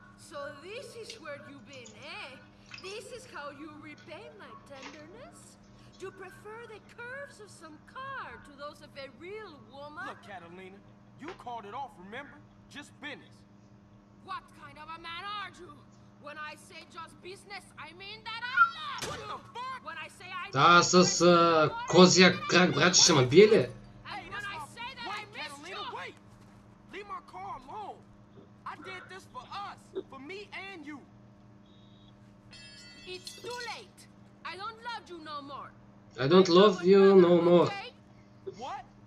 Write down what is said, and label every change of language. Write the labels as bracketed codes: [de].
[en] So this is where you've been, eh? This is how you repay my tenderness? You prefer the curves of some car to those of a real woman? Look, Catalina, you called it off, remember? Just business. What kind of a man are you? When I say just business, I mean that I love you! When I say I... [bg] Да, с козия крак, братче, ще ме бие ли? [en] And when I say that I miss you! Wait! Leave my car alone! I did this for us! For me and you! It's too late! I don't love you no more! I don't love you no more! What?